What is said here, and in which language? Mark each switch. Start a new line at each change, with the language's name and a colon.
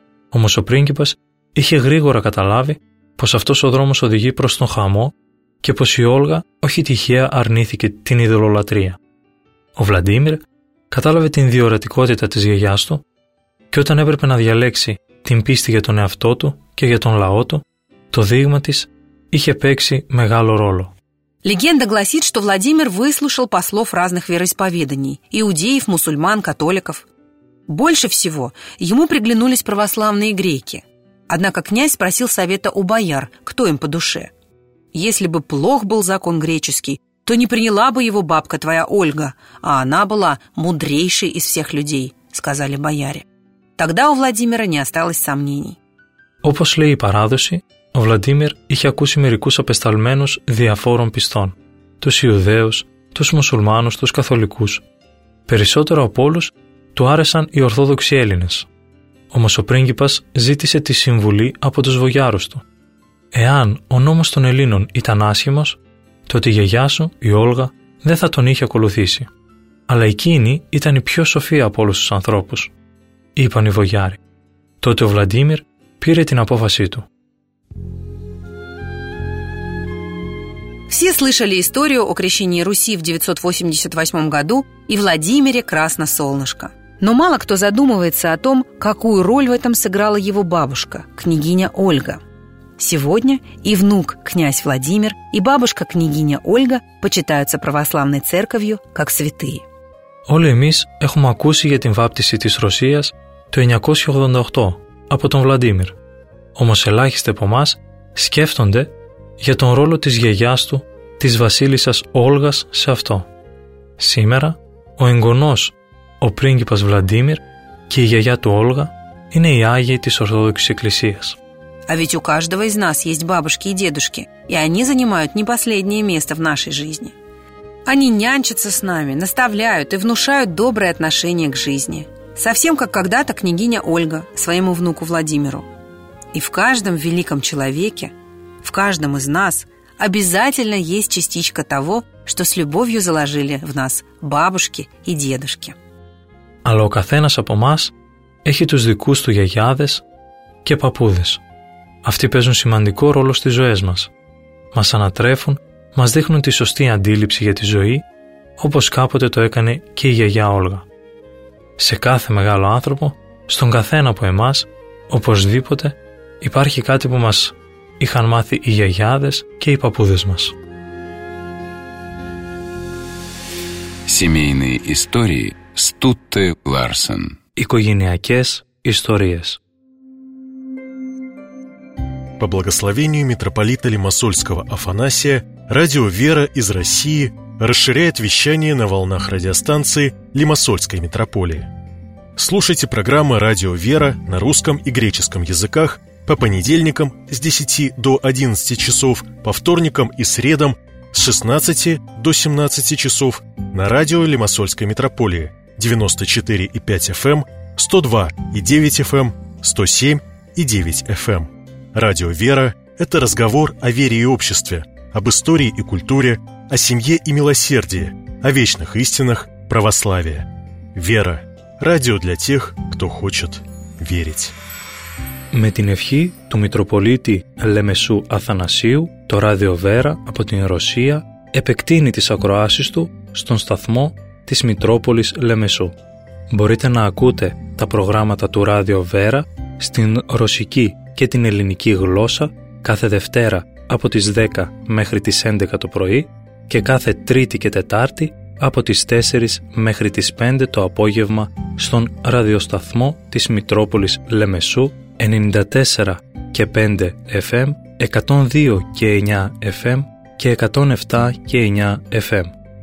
Greek: Όμως ο πρίγκιπας είχε γρήγορα καταλάβει πως αυτός ο δρόμος οδηγεί προς τον χαμό και πως η Όλγα όχι τυχαία αρνήθηκε την ειδωλολατρεία. Ο Βλαντίμιρ κατάλαβε την διορατικότητα της γιαγιάς του και όταν έπρεπε να διαλέξει την πίστη για τον εαυτό του και για τον λαό του, το δείγμα της είχε παίξει μεγάλο ρόλο.
Russian: Легенда гласит, что Владимир выслушал послов разных вероисповеданий – иудеев, мусульман, католиков. Больше всего ему приглянулись православные греки. Однако князь спросил совета у бояр, кто им по душе. «Если бы плох был закон греческий, то не приняла бы его бабка твоя Ольга, а она была мудрейшей из всех людей», – сказали бояре. Тогда у Владимира не осталось сомнений.
Greek: Όπως λέει η παράδοση, ο Βλαντίμιρ είχε ακούσει μερικούς απεσταλμένους διαφόρων πιστών, τους Ιουδαίους, τους Μουσουλμάνους, τους Καθολικούς. Περισσότερο από όλους του άρεσαν οι Ορθόδοξοι Έλληνες. Όμως ο πρίγκιπας ζήτησε τη συμβουλή από τους βογιάρους του. Εάν ο νόμος των Ελλήνων ήταν άσχημος, τότε η γιαγιά σου, η Όλγα, δεν θα τον είχε ακολουθήσει. Αλλά εκείνη ήταν η πιο σοφή από όλους τους ανθρώπους, είπαν οι βογιάροι. Τότε ο Βλαντίμιρ πήρε την απόφασή του.
Russian: Все слышали историю о крещении Руси в 988 году и Владимире Красносолнышко. Но мало кто задумывается о том, какую роль в этом сыграла его бабушка, княгиня Ольга. Сегодня и внук князь Владимир, и бабушка княгиня Ольга почитаются православной церковью как святые.
Greek: Όλοι εμείς έχουμε ακούσει για την βάπτιση της Ρωσίας το 988 από τον Βλαντίμιρ. Όμως ελάχιστοι από εμάς σκέφτονται για τον ρόλο της γιαγιάς του, της βασίλισσας Όλγας, σε αυτό. Σήμερα, ο εγγονός, ο πρίγκιπας Βλαντίμιρ και η γιαγιά του Όλγα είναι οι Άγιοι της Ορθόδοξης Εκκλησίας.
Russian: А ведь у каждого из нас есть бабушки и дедушки, и они занимают не последнее место в нашей жизни. Они нянчатся с нами, наставляют и внушают доброе отношение к жизни. Совсем как когда-то княгиня Ольга своему внуку Владимиру. И в каждом великом человеке в каждом из нас обязательно есть частичка того, что с любовью заложили в нас бабушки и дедушки.
Greek: Αλλά ο καθένας από μας έχει τους δικούς του γιαγιάδες και παππούδες. Αυτοί παίζουν σημαντικό ρόλο στις ζωές μας. Μας ανατρέφουν, μας δείχνουν τη σωστή αντίληψη για τη ζωή, όπως κάποτε το έκανε και η γιαγιά Όλγα. Σε κάθε μεγάλο άνθρωπο, στον καθένα από εμάς, οπωσδήποτε, υπάρχει κάτι που μας είχαν μάθει οι γιαγιάδες και οι παππούδες μας.
Russian: Семейные истории Стутте Ларсен.
Greek: Οικογενειακές ιστορίες.
Russian: По благословению митрополита Лимассольского Афанасия, радио «Вера» из России расширяет вещание на волнах радиостанции Лимассольской митрополии. Слушайте программы «Радио «Вера» на русском и греческом языках по понедельникам с 10 до 11 часов, по вторникам и средам с 16 до 17 часов на радио Лимассольской митрополии 94,5 FM, 102,9 FM, 107,9 FM. Радио «Вера» – это разговор о вере и обществе, об истории и культуре, о семье и милосердии, о вечных истинах православия. «Вера» – радио для тех, кто хочет верить.
Greek: Με την ευχή του Μητροπολίτη Λεμεσού Αθανασίου, το Ράδιο Βέρα από την Ρωσία επεκτείνει τις ακροάσεις του στον σταθμό της Μητρόπολης Λεμεσού. Μπορείτε να ακούτε τα προγράμματα του Ράδιο Βέρα στην ρωσική και την ελληνική γλώσσα κάθε Δευτέρα από τις 10 μέχρι τις 11 το πρωί και κάθε Τρίτη και Τετάρτη από τις 4 μέχρι τις 5 το απόγευμα στον ραδιοσταθμό της Μητρόπολης Λεμεσού 94 και 5 FM, 102 και 9 FM και 107 και 9 FM.